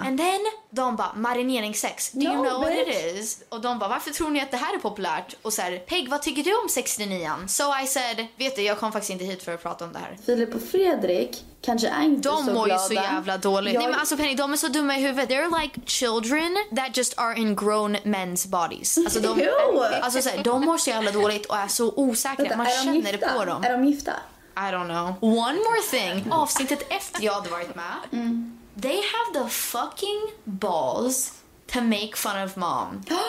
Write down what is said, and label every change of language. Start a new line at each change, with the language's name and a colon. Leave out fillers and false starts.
English: And then,
Swedish: de bara,
English: marineringssex. Do you know what it is?
Swedish: Och de bara, varför tror ni att det här är populärt? Och så här, Peg, vad tycker du om 69?
English: So I said,
Swedish: vet du, jag kom faktiskt inte hit för att prata om det här. Filip och Fredrik kanske är inte de så glada. De mår ju så jävla dåligt. Nej, men alltså Penny, de är så dumma i huvudet.
English: They're like children that just are in grown men's bodies.
Swedish: Alltså de, alltså, så här, de mår så jävla dåligt och är så osäkra. Man känner det på dem. Är de gifta?
English: I don't know. One more thing.
Swedish: Avsnittet efter jag hade varit med. Mm.
English: They have the fucking balls to make fun of mom.